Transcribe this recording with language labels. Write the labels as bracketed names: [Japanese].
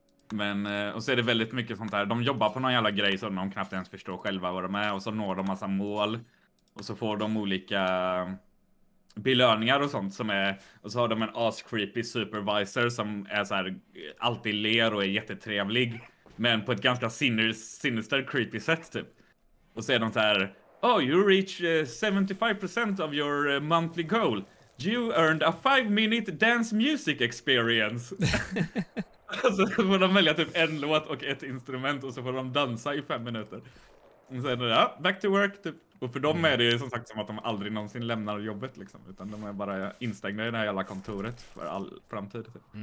[Swedish] Men och så är det väldigt mycket sånt här, de jobbar på någon jävla grej så de knappt ens förstår själva vad de är och så når de massa mål och så får de olika belöningar och sånt som är, och så har de en as [English] creepy supervisor [Swedish] som är så här alltid ler och är jättetrevlig. Men på ett ganska sinister, creepy sätt, typ. Och så är de så här, [English] oh, you reach 75% of your monthly goal. You earned a 5-minute dance music experience. [Swedish] Alltså, så får de välja typ en låt och ett instrument och så får de dansa i 5 minuter. Och så är det, ja, [English] back to work, [Swedish] typ. Och för dem är det ju som sagt som att de aldrig någonsin lämnar jobbet, liksom. Utan de är bara instängda i det här jävla kontoret för all framtid, typ.